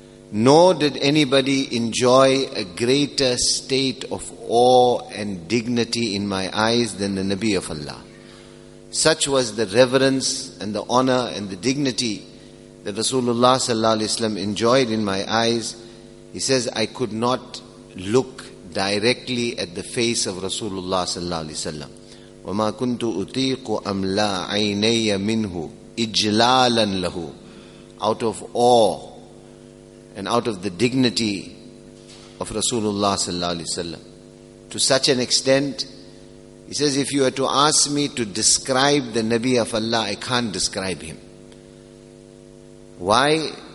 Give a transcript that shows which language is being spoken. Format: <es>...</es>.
<en>Nor did anybody enjoy a greater state of awe and dignity in my eyes than the Nabi of Allah. Such was the reverence and the honor and the dignity that Rasulullah sallallahu alaihi wasallam enjoyed in my eyes. He says, I could not look directly at the face of Rasulullah sallallahu alaihi wasallam.</en> <ar>وَمَا كُنْتُ أُطِيقُ أَمْلَى عَيْنَيَّ مِنْهُ إِجْلَالًا لَهُ.</ar> <en>Out of awe and out of the dignity of Rasulullah sallallahu alaihi wasallam, to such an extent, he says, if you were to ask me to describe the Nabi of Allah, I can't describe him. Why?</en>